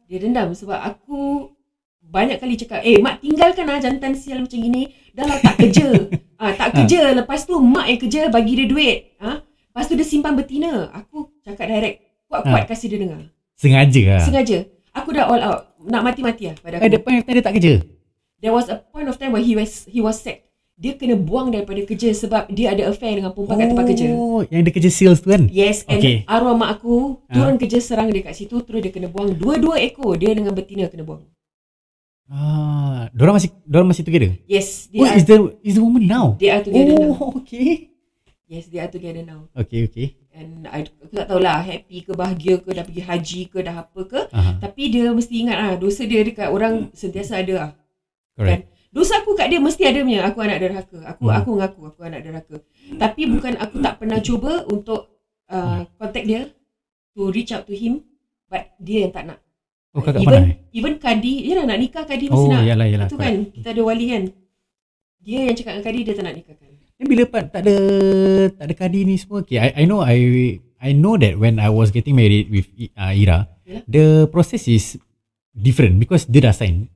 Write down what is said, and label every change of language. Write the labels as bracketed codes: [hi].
[ms] Dia dendam sebab aku banyak kali cakap, "Eh, mak tinggalkan lah jantan sial macam gini. Dah lah, tak kerja." tak kerja. Lepas tu mak yang kerja, bagi dia duit. Lepas tu dia simpan betina. Aku cakap direct. Kuat-kuat kasih dia dengar. Sengaja lah. Sengaja. Aku dah all out. Nak mati-mati lah pada aku. [en] At the point of time, [ms] dia tak kerja? [en] There was a point of time where he was sick. [ms] dia kena buang daripada kerja sebab dia ada affair dengan perempuan kat tempat kerja. Oh, yang dia kerja sales tu kan? [en] Yes, and okay. [ms] Arwah mak aku turun kerja serang dekat situ, terus dia kena buang dua-dua ekor, dia dengan betina kena buang. Dorang masih together? [en] Yes, [ms] dia. [en] Oh, is the woman now? They are together now. Oh, okay. Yes, they are together now. Okay, okay. [ms] And aku tak tahulah happy ke bahagia ke, dah pergi haji ke, dah apa ke. Uh-huh. Tapi dia mesti ingat lah, dosa dia dekat orang sentiasa ada lah. Correct. Kan? Dosa aku kat dia mesti ada punya. Aku anak deraka. Aku mengaku aku anak deraka. Tapi bukan aku tak pernah cuba untuk contact dia, [en] to reach out to him, but [ms] dia yang tak nak. Oh, kakak mana? Even Kadi, yalah nak nikah Kadi mesti nak. Oh, yalah. Itu kan, kita ada wali kan. Dia yang cakap dengan Kadi, dia tak nak nikahkan. Bila pak tak ada Kadi ni semua, okay. [en] I know that when I was getting married with Ira, the process is different because [ms] dia dah sign.